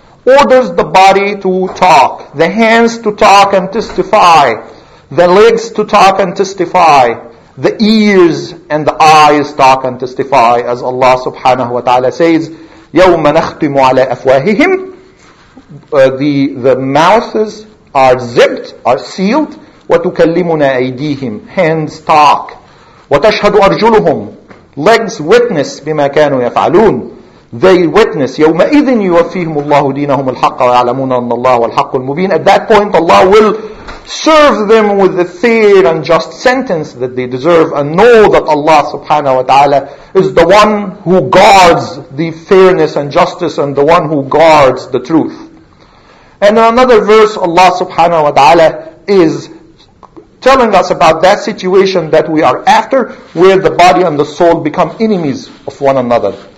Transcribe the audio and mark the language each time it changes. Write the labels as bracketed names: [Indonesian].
[English] Orders the body to talk, the hands to talk and testify, the legs to talk and testify, the ears and the eyes talk and testify, as Allah subhanahu wa ta'ala says, [Arabic] يَوْمَ نَخْتِمُ عَلَىٰ أَفْوَاهِهِمْ. [English] The mouths are zipped, are sealed, [Arabic] وَتُكَلِّمُنَا أَيْدِيهِمْ, [English] hands talk, [Arabic] وَتَشْهَدُ أَرْجُلُهُمْ, [English] legs witness [Arabic] بِمَا كَانُوا يَفْعَلُونَ. [English] They witness, [Arabic] يَوْمَئِذٍ يُوَفِّيهِمُ اللَّهُ دِينَهُمُ الْحَقَّ وَيَعْلَمُونَ أَنَّ اللَّهُ الْحَقُّ الْمُبِينَ. [English] At that point, Allah will serve them with the fair and just sentence that they deserve, and know that Allah subhanahu wa ta'ala is the one who guards the fairness and justice, and the one who guards the truth. And in another verse, Allah subhanahu wa ta'ala is telling us about that situation that we are after, where the body and the soul become enemies of one another.